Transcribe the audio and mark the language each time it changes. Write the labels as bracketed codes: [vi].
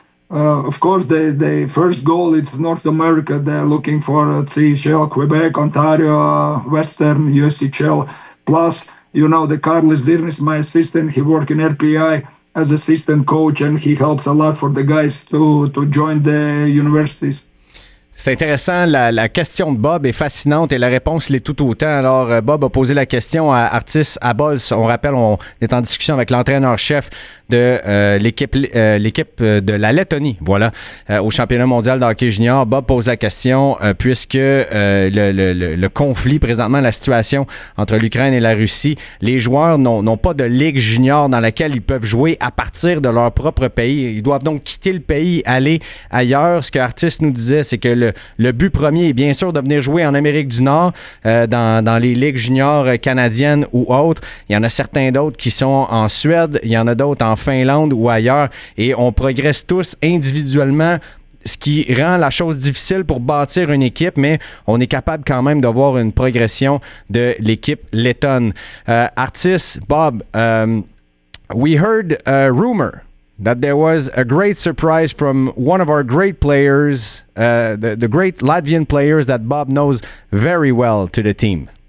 [en] Of course, they first goal, it's North America. They're looking for CHL, Quebec, Ontario, Western, USHL. Plus, you know, the Karlis Zirnis, my assistant, he works in RPI as assistant coach, and he helps a lot for the guys to join the universities. [fr] C'est intéressant, la question de Bob est fascinante et la réponse l'est tout autant. Alors, Bob a posé la question à Artis Abols. On rappelle, on est en discussion avec l'entraîneur-chef de l'équipe de la Lettonie, voilà, au championnat mondial de hockey junior. Bob pose la question, puisque le conflit présentement, la situation entre l'Ukraine et la Russie, les joueurs n'ont pas de ligue junior dans laquelle ils peuvent jouer à partir de leur propre pays. Ils doivent donc quitter le pays, aller ailleurs. Ce que Artis nous disait, c'est que le but premier est bien sûr de venir jouer en Amérique du Nord, dans les ligues juniors canadiennes ou autres. Il y en a certains d'autres qui sont en Suède, il y en a d'autres en Finlande ou ailleurs, et on progresse tous individuellement, ce qui rend la chose difficile pour bâtir une équipe, mais on est capable quand même d'avoir une progression de l'équipe lettonne. [en] Artis, Bob, we heard a rumor that there was a great surprise from one of our great players, the great Latvian players that Bob knows very well, to the team.